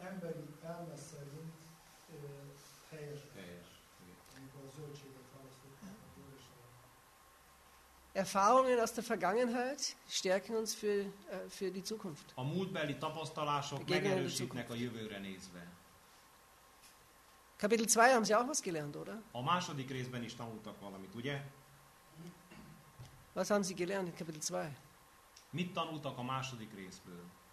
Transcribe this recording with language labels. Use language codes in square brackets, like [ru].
[hu] Emberi elme szerint teljes. Amikor a zöldséget választottak a törésre. [de] Erfahrungen aus der Vergangenheit stärken uns für die Zukunft. [hu] A múltbeli tapasztalások megerősítnek a jövőre nézve. [de] Kapitel 2 haben Sie auch was gelernt, oder? [hu] A második részben is tanultak valamit, ugye? [de] Was haben Sie gelernt in Kapitel 2? [hu] Mit tanultak a második részből?